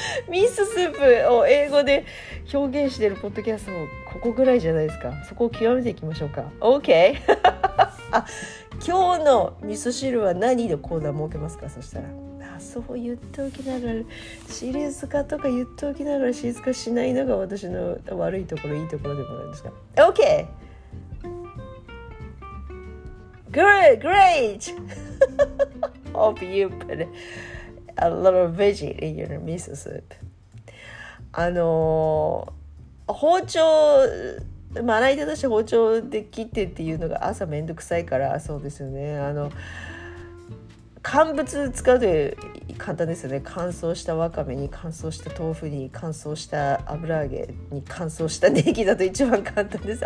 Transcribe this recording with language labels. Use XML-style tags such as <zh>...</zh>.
<ja>ミススープを英語で表現しているポッドキャストもここぐらいじゃないですか。そこを極めていきましょうか。OK あ、今日の味噌汁は何のコーナー設けますか。そしたら、あ、そう言っておきながらシリーズ化とか言っておきながらシリーズ化しないのが私の悪いところ、いいところでもあるんですか。</ja> <en>OK Great Hope you put itA little veggie in your miso soup.</en> <ja>あの包丁、まな板出して包丁で切ってっていうのが朝めんどくさいから、そうですよね。あの乾物使うと簡単ですよね。乾燥したわかめに、乾燥した豆腐に、乾燥した油揚げに、乾燥したネギだと一番簡単です。</ja>